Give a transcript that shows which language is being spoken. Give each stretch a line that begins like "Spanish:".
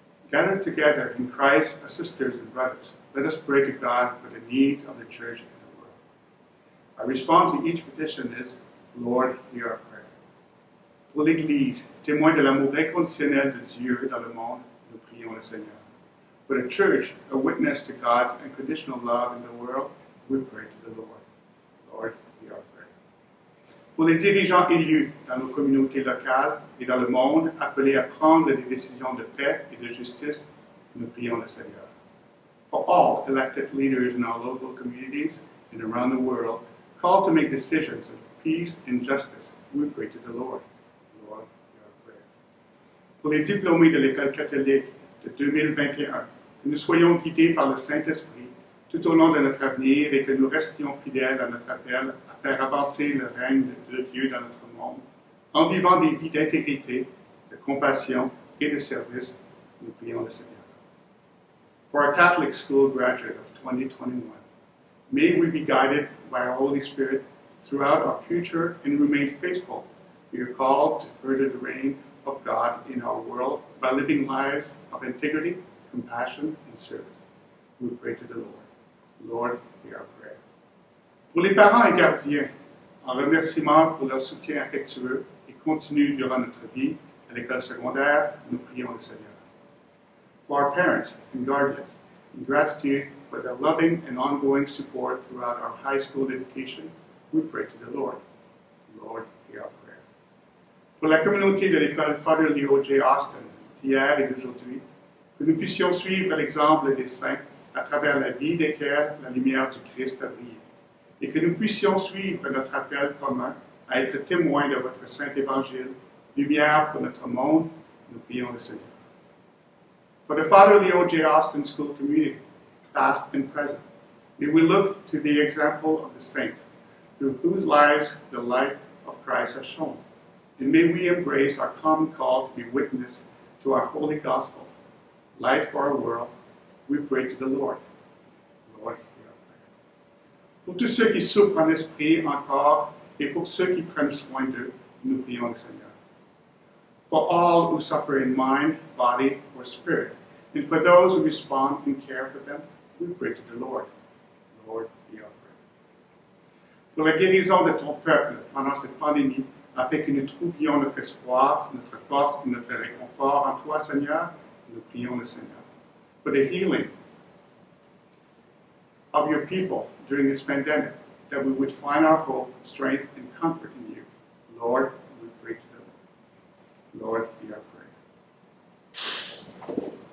English: Gathered together in Christ as sisters and brothers, let us pray to God for the needs of the church and the world. Our response to each petition is, Lord, hear our prayer.
French: Pour l'Église, témoin de l'amour inconditionnel de Dieu dans le monde, prions le Seigneur.
English: For the church, a witness to God's unconditional love in the world, we pray to the Lord. Lord, hear our prayer.
French: Pour les dirigeants élus dans nos communautés locales et dans le monde, appelés à prendre des décisions de paix et de justice, nous prions le Seigneur.
English: For all elected leaders in our local communities and around the world, called to make decisions of peace and justice, we pray to the Lord. Lord, hear our prayer.
French: Pour les diplômés de l'école catholique de 2021, que nous soyons guidés par le Saint-Esprit tout au long de notre avenir et que nous restions fidèles à notre appel à faire avancer le règne de Dieu dans notre monde, en vivant des vies d'intégrité, de compassion et de service, nous prions le Seigneur.
English: For our Catholic school graduate of 2021, may we be guided by our Holy Spirit throughout our future and remain faithful. We are called to further the reign of God in our world by living lives of integrity, compassion, and service. We pray to the Lord. Lord, hear our prayer.
French: Pour les parents et gardiens, en remerciement pour leur soutien affectueux et continu durant notre vie à l'école secondaire, nous prions le Seigneur.
English: For our parents and guardians, in gratitude for their loving and ongoing support throughout our high school education, we pray to the Lord. Lord, hear our prayer.
French: Pour la communauté de l'école Father Leo J. Austin, d'hier et d'aujourd'hui, que nous puissions suivre l'exemple des saints à travers la vie desquels la lumière du Christ a brillé, et que nous puissions suivre notre appel commun à être témoins de votre saint évangile, lumière pour notre monde, nous prions le Seigneur.
English: For the Father Leo J. Austin School community, past and present, may we look to the example of the saints, through whose lives the light of Christ has shone. And may we embrace our common call to be witness to our holy gospel, light for our world, we pray to the Lord. Lord, hear our prayer.
French: Pour tous ceux qui souffrent en esprit encore et pour ceux qui prennent soin d'eux, nous prions le Seigneur.
English: For all who suffer in mind, body, or spirit, and for those who respond and care for them, we pray to the Lord. Lord, hear our prayer.
French: Pour la guérison de ton peuple pendant cette pandémie, afin que nous trouvions notre espoir, notre force et notre réconfort en toi, Seigneur, nous prions le Seigneur.
English: For the healing of your people during this pandemic, that we would find our hope, strength, and comfort in you. Lord, we pray to the Lord. Lord, hear our prayer.